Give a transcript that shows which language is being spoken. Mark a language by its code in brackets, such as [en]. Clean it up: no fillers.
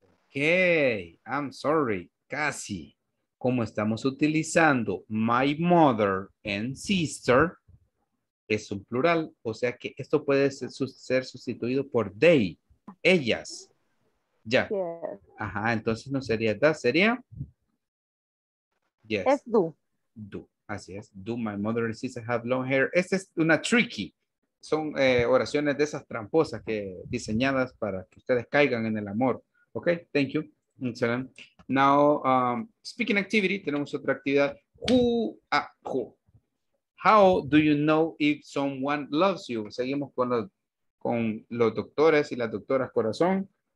[es] Okay, I'm sorry, casi. Como estamos utilizando [en] my mother and sister, [es] es un plural, o sea que esto puede ser sustituido por they, ellas. Ya. [en] Yes. [es] Ajá, entonces no sería that, sería. Yes. Es do. Do. Así es. [en] Do my mother and sister have long hair? [es] Esta es una tricky. Son oraciones de esas tramposas que diseñadas para que ustedes caigan en el amor. [en] Ok, thank you. Excellent. Now, speaking activity, [es] tenemos otra actividad. [en] Who? How do you know if someone loves you? [es] Seguimos con los doctores y las doctoras corazón.